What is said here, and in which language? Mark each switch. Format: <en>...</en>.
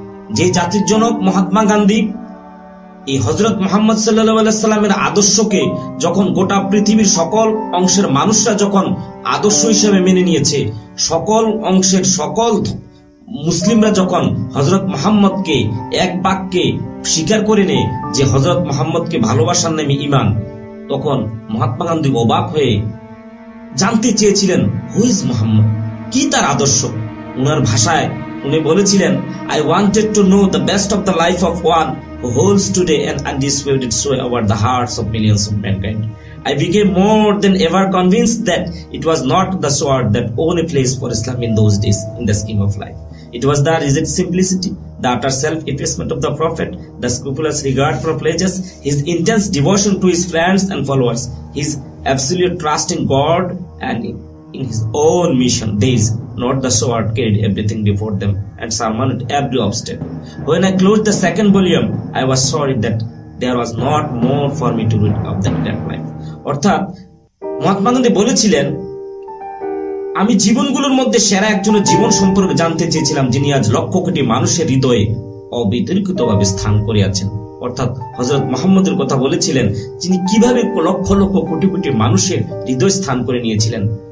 <bn>যে জাতির জনক মহাত্মা গান্ধী এই হযরত মুহাম্মদ সাল্লাল্লাহু আলাইহি সাল্লামের আদর্শকে যখন গোটা পৃথিবীর সকল অংশের মানুষরা যখন আদর্শ হিসেবে মেনে নিয়েছে, সকল অংশের সকল মুসলিমরা যখন হযরত মুহাম্মদকে এক বাক্যে স্বীকার করে নেয় যে হযরত মুহাম্মদকে ভালোবাসার নামে ঈমান, তখন মহাত্মা গান্ধী অবাক হয়ে জানতে চেয়েছিলেন</bn> <en>who is Muhammad,</en> <bn>কি তার আদর্শ। উনার ভাষায় উনি বলেছিলেন,</bn> <en>I wanted to know the best of the life of one who holds today an undisputed sway over the hearts of millions of mankind. I became more than ever convinced that it was not the sword that only place for Islam in those days in the scheme of life, it was the reject simplicity, the utter self-effacement of the Prophet, the scrupulous regard for pledges, his intense devotion to his friends and followers, his absolute trust in God and in his own mission, these, not the sword, carried everything before them and surmounted every obstacle. When I closed the second volume, I was sorry that there was not more for me to read of that great life.</en> <bn>অর্থাৎ মহাত্মা গান্ধী বলেছিলেন, আমি জীবনগুলোর মধ্যে সেরা একজনের জীবন সম্পর্কে জানতে চেয়েছিলাম যিনি আজ লক্ষ কোটি মানুষের হৃদয়ে অবিতর্কিতভাবে স্থান করিয়াছেন। অর্থাৎ হযরত মুহাম্মদের কথা বলেছিলেন যিনি কিভাবে লক্ষ লক্ষ কোটি কোটি মানুষের হৃদয়ে স্থান করে নিয়েছিলেন।</bn>